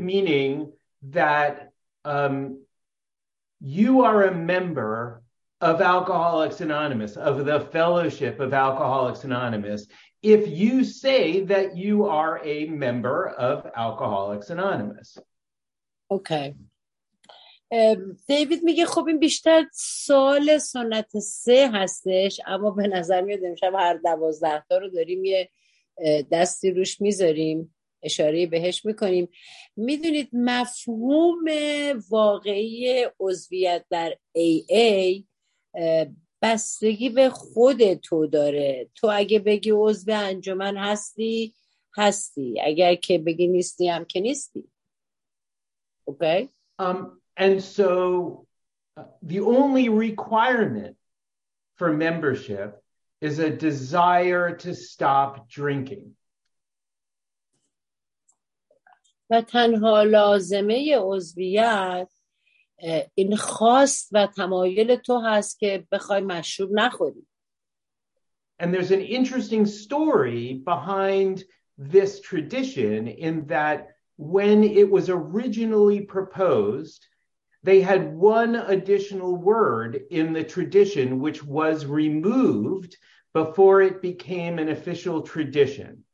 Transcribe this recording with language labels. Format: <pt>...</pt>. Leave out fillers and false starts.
<en>meaning that you are a member of Alcoholics Anonymous, of the Fellowship of Alcoholics Anonymous, if you say that you are a member of Alcoholics Anonymous. Okay.</en> <fa>دیوید میگه خب این بیشتر سوال سنت سه هستش، اما به نظر میاد امشب هر 12 تا رو داریم یه دستی روش میذاریم، اشاره بهش میکنیم. میدونید مفهوم واقعی عضویت در AA بستگی به خود تو داره. تو اگه بگی عضو انجمن هستی، هستی. اگر که بگی نیستی، هم که نیستی.</fa> <en>Okay. And so the only requirement for membership is a desire to stop drinking.</en> <fa>و تنها لازمه عضویت این خواست و تمایل تو هست که بخوای مشروب نخوری.</fa> <en>And there's an interesting story behind this tradition in that when it was originally proposed, they had one additional word in the tradition which was removed before it became an official tradition.</en>